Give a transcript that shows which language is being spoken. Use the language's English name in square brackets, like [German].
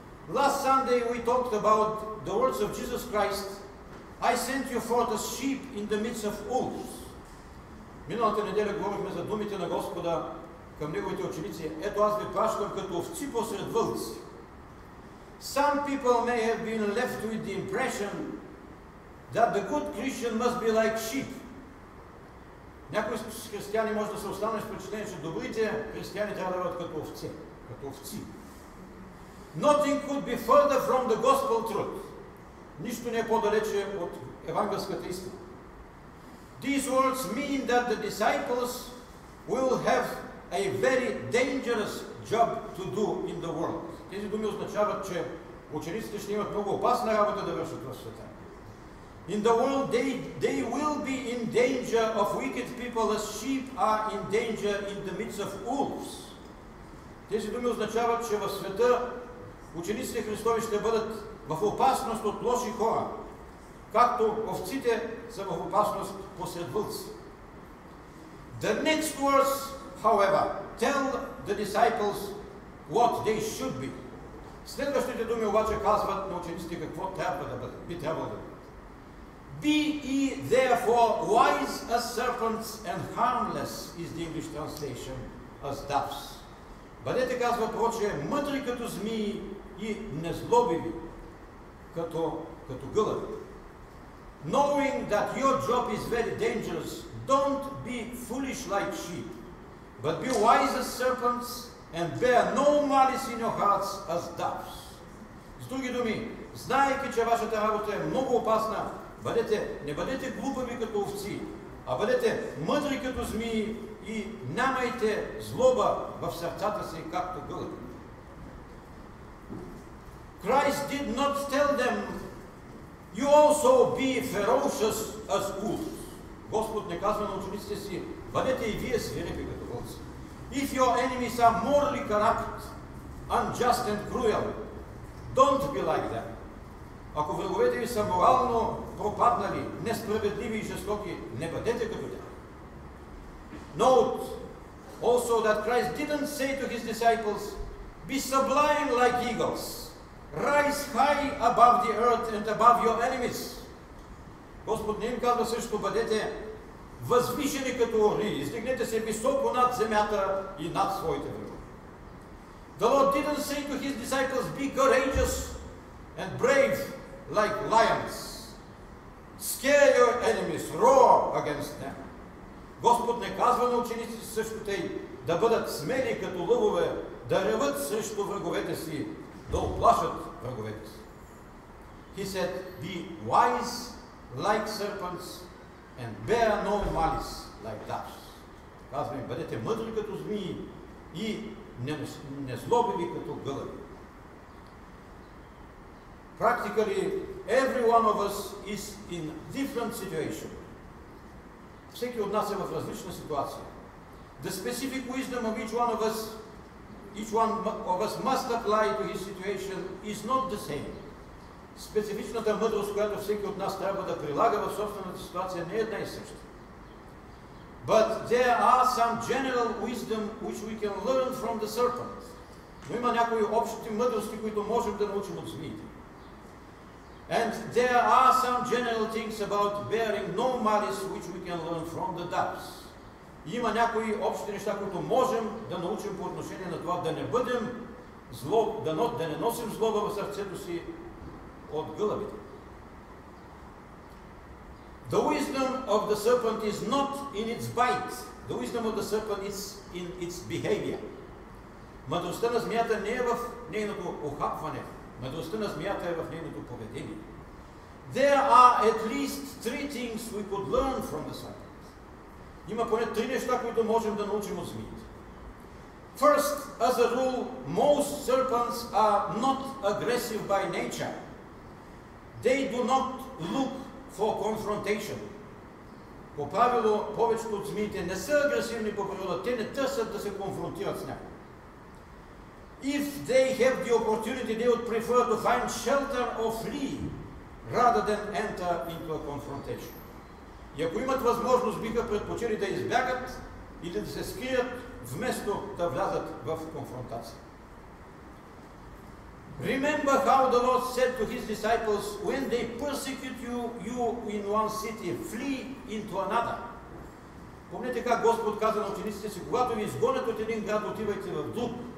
[English] Last Sunday we talked about the words of Jesus Christ. I sent you forth as sheep in the midst of wolves. [Bulgarian] Миналата неделя говорихме за думите на Господа към неговите ученици. Ето аз ви пращам като овци посред вълци. [English] Some people may have been left with the impression that the good Christian must be like sheep. [Bulgarian] Някои християни може да се останат с впечатление, че добрите християни трябва да бъдат като овце, като овци. [English] Nothing could be further from the gospel truth. [Bulgarian] Нищо не е по-далече от евангелската истина. [English] These words mean that the disciples will have a very dangerous job to do in the world. [Bulgarian] Тези думи означават, че учениците ще имат много опасна работа да вършат в света. [English] In the world they will be in danger of wicked people as sheep are in danger in the midst of wolves. [Bulgarian] Тези думи означават, че в света учениците Христови ще бъдат в опасност от лоши хора, както овците са в опасност посред вълци. [English] The next words, however, tell the disciples what they should be. [Bulgarian] Следващите думи обаче казват на учениците какво трябва да бъдат, би трябвало да бъдат. [English] Be ye therefore wise as serpents and harmless is the English translation as doves. [Bulgarian] Бъдете, казва прочие, мъдри като змии и незлобиви като гълъби. [English] Knowing that your job is very dangerous, don't be foolish like sheep, but be wise as serpents and bear no malice in your hearts as doves. [Bulgarian] С други думи, знаеки, че вашата работа е много опасна, не бъдете глупави като овци, а бъдете мъдри като змии и нямайте злоба в сърцата си както гълъби. [English] Christ did not tell them, you also be ferocious as wolves. [Bulgarian] Господ не казва на учениците си, бъдете и вие свирепи като вълци. [English] If your enemies are morally corrupt, unjust and cruel, don't be like them. [Bulgarian] Ако враговете ви са морално пропаднали, несправедливи и жестоки, не бъдете като тях. [English] Note also that Christ didn't say to his disciples, be sublime like eagles. Rise high above the earth and above your enemies. [Bulgarian] Господ не им казва също, бъдете възвишени като орли, издигнете се високо над земята и над своите врагове. [English] The Lord didn't say to his disciples, be courageous and brave like lions. Scare your enemies, roar against them. [Bulgarian] Господ не казва на учениците също тъй, да бъдат смели като лъвове, да реват срещу враговете си, да оплашат враговете си. [English] He said, be wise like serpents and bear no malice like doves. [Bulgarian] Казваме, бъдете мъдри като змии и незлобиви като гълъби. [English] Practically, every one of us is in different situation. [Bulgarian] Всеки от нас е в различна ситуация. [English] The specific wisdom of each one of us must apply to his situation is not the same. [Bulgarian] Специфичната мъдрост, която всеки от нас трябва да прилага в собствената ситуация, не е една и съща. [English] But there are some general wisdom which we can learn from the serpent. [Bulgarian] Но има някои общи мъдрости, които можем да научим от змиите. [English] And there are some general things about bearing no malice which we can learn from the doves. [Bulgarian] Има някои общи неща, които можем да научим по отношение на това да не бъдем зло, да не носим злоба в сърцето си от гълъбите. [English] The wisdom of the serpent is not in its bite. The wisdom of the serpent is in its behavior. [Bulgarian] Мъдростта на змията не е в нейното ухапване. Мъдростта на змията е в нейното поведение. [English] There are at least three things we could learn from the serpent. [Bulgarian] Има поне три неща, които можем да научим от змиите. [English] First, as a rule, most serpents are not aggressive by nature. They do not look for confrontation. [Bulgarian] По правило, повечето от змиите не са агресивни по природа, те не търсят да се конфронтират с някого. [English] If they have the opportunity, they would prefer to find shelter or flee, rather than enter into a confrontation. [Bulgarian] И ако имат възможност, биха предпочели да избягат или да се скрият, вместо да влязат в конфронтация. [English] Remember how the Lord said to his disciples, when they persecute you, you in one city, flee into another. [Bulgarian] Помните как Господ каза на учениците си, когато ви изгонят от един град, отивайте в друг.